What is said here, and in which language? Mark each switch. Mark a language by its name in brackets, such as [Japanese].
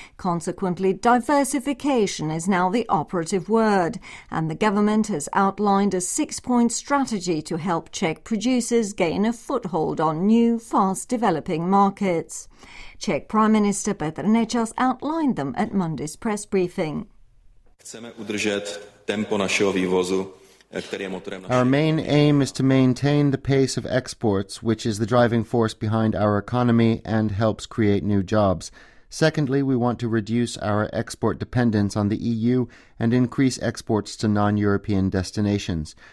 [English] Consequently, diversification is now the operative word, and the government has outlined a six-point strategy to help Czech producers gain a foothold on new, fast-developing markets. Czech Prime Minister Petr Nečas outlined them at Monday's press briefing. [Czech] Chceme udržet tempo našeho vývozu. [English] Our main aim is to maintain the pace of exports, which is the driving force behind our economy and helps create new jobs. Secondly, we want to reduce our export dependence on the EU and increase exports to non-European destinations.